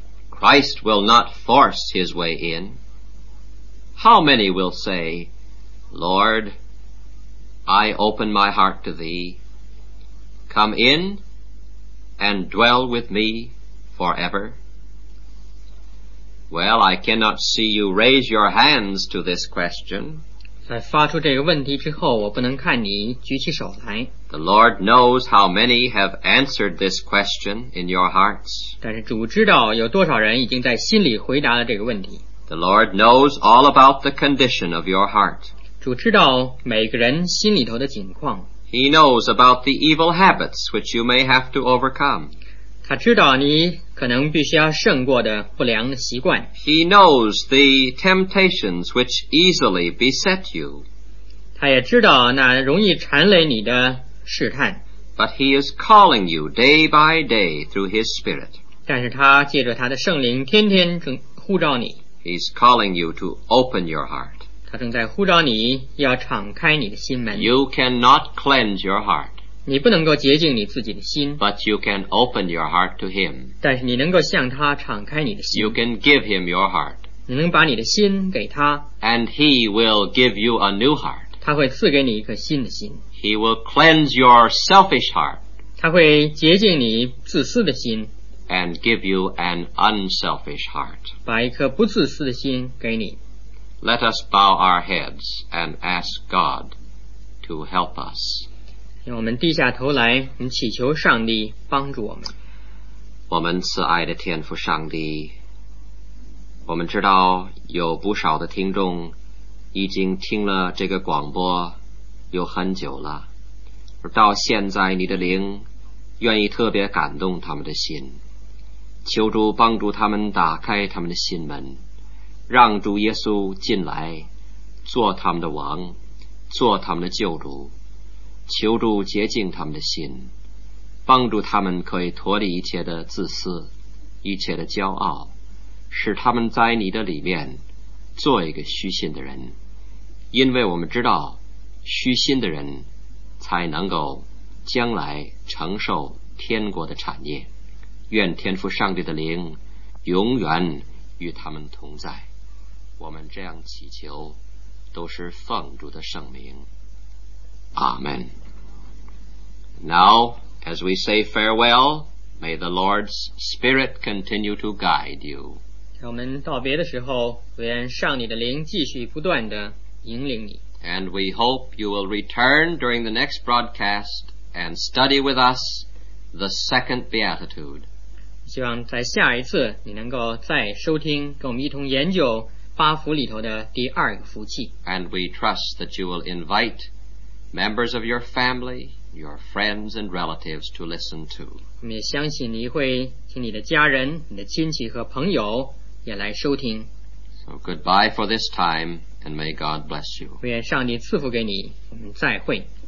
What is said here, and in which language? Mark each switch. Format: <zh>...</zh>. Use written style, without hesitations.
<en>Christ will not force his way in. How many will say, "Lord, I open my heart to thee. Come in and dwell with me forever"? Well, I cannot see you raise your hands to this question.</en> <zh>在发出这个问题之后，我不能看你举起手来。</zh> <en>The Lord knows how many have answered this question in your hearts.</en> <zh>但是主知道有多少人已经在心里回答了这个问题。</zh> <en>The Lord knows all about the condition of your heart.</en> <zh>主知道每个人心里头的情况。</zh> <en>He knows about the evil habits which you may have to overcome.</en> <zh>他知道你可能必须要胜过的不良的习惯。</zh> <en>He knows the temptations which easily beset you.</en> <zh>他也知道那容易缠累你的试探。</zh> <en>But he is calling you day by day through his Spirit.</en> <zh>但是他借着他的圣灵天天正呼召你。</zh> <en>He's calling you to open your heart.</en> <zh>他正在呼召你要敞开你的心门。</zh> <en>You cannot cleanse your heart.</en> <zh>你不能够洁净你自己的心。</zh> <en>But you can open your heart to him.</en> <zh>但是你能够向他敞开你的心。</zh> <en>You can give him your heart.</en> <zh>你能把你的心给他。</zh> <en>And he will give you a new heart.</en> <zh>他会赐给你一颗新的心。</zh> <en>He will cleanse your selfish heart.</en> <zh>他会洁净你自私的心。</zh> <en>And give you an unselfish heart.</en> <zh>把一颗不自私的心给你。</zh> <en>Let us bow our heads and ask God to help us.</en> <zh>让我们低下头来，我们祈求上帝帮助我们。我们慈爱的天父上帝，我们知道有不少的听众已经听了这个广播有很久了，而到现在你的灵愿意特别感动他们的心。求主帮助他们打开他们的心门，让主耶稣进来做他们的王，做他们的救主。求主洁净他们的心，帮助他们可以脱离一切的自私，一切的骄傲，使他们在你的里面做一个虚心的人。因为我们知道虚心的人才能够将来承受天国的产业。愿天父上帝的灵永远与他们同在。我们这样祈求，都是奉主的圣名。</zh> <en>Amen. Now, as we say farewell, may the Lord's Spirit continue to guide you.</en> <zh>在我们道别的时候，愿上帝的灵继续不断地引领你。</zh> <en>And we hope you will return during the next broadcast and study with us the second beatitude.</en> <zh>希望在下一次你能够再收听跟我们一同研究八福里头的第二个福气。</zh> <en>And we trust that you will invite members of your family, your friends and relatives to listen to.</en> <zh>我们也相信你会请你的家人、你的亲戚和朋友也来收听。</zh> <en>So goodbye for this time and may God bless you.</en> <zh>愿上帝赐福给你，我们再会。</zh>